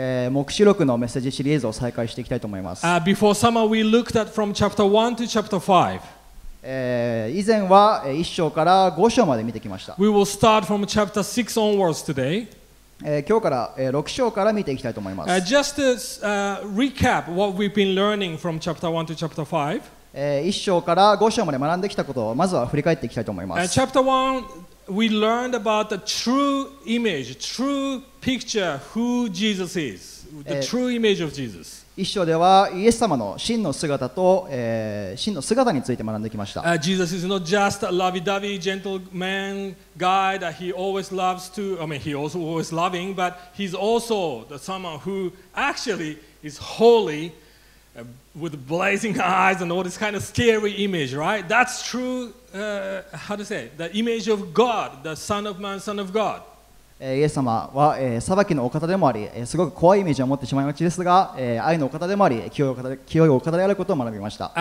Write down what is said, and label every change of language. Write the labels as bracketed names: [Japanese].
[Japanese] 黙示録のメッセージシリーズを再開していきたいと思います。 [English] Before summer, we looked at from chapter 1 to chapter 5. [Japanese] 以前は1章から5章まで見てきました。 [English] We will start from chapter 6 onwards today. [Japanese] 今日から6章から見ていきたいと思います。 [English] Just to recap what we've been learning from chapter 1 to chapter 5. [Japanese] 1章から5章まで学んできたことをまずは振り返っていきたいと思います。 [English] Chapter 1, we learned about the true image, true picture who Jesus is, the true image of Jesus. [Japanese] 1章ではイエス様の真の姿と、真の姿について学んできました。 [English] Jesus is not just a lovey-dovey gentleman guy that he always loves to, I mean, he also always loving, but he's also the someone who actually is holy. With blazing eyes and all this kind of scary image, right? That's true, how to say, the image of God, the Son of Man, Son of God. [Japanese] イエス様は、裁きのお方でもあり、すごく怖いイメージを持ってしまいがちですが、愛のお方でもあり、清いお方であることを学びました。